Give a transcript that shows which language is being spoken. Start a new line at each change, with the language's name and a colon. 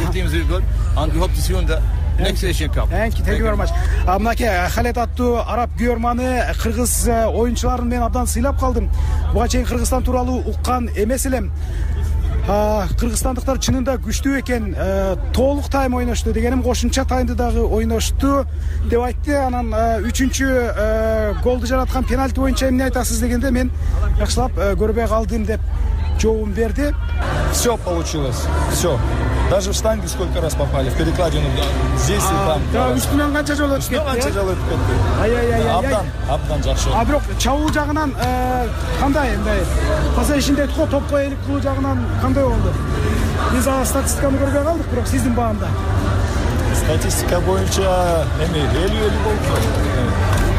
English: Your team is really good and we hope to see you in the... Thank you very much.
Kyrgyz: Мынакей Халет аттуу араб күйөрманы кыргыз оюнчуларын мен абдан сыйлап калдым. Буга чейин Кыргызстан тууралуу уккан эмес элем. Кыргызстандыктар чынында күчтүү экен. Толук тайм ойношту дегеним кошумча таймды дагы ойношту деп айтты. Анан үчүнчү голду жараткан пенальти боюнча эмне айтасыз дегенде мен жакшылап көрбөй калдым деп жообун берди.
Russian: Все получилось. Все. Даже в штанге сколько раз попали, в перекладину, да, здесь и там.
Kyrgyz: Да, үстүнөн канча жолу өтүп кетти. Канча жолу өтүп кетти. Ай-ай-ай. Абдан жакшы. А бирок чабуул жагынан кандай эмдей? Позиционинде айтко топ коелик кылуу жагынан кандай болду? Биз ал статистиканы көрбөй калдык, бирок сиздин баанда. Статистика боюнча эми 50-50 болду.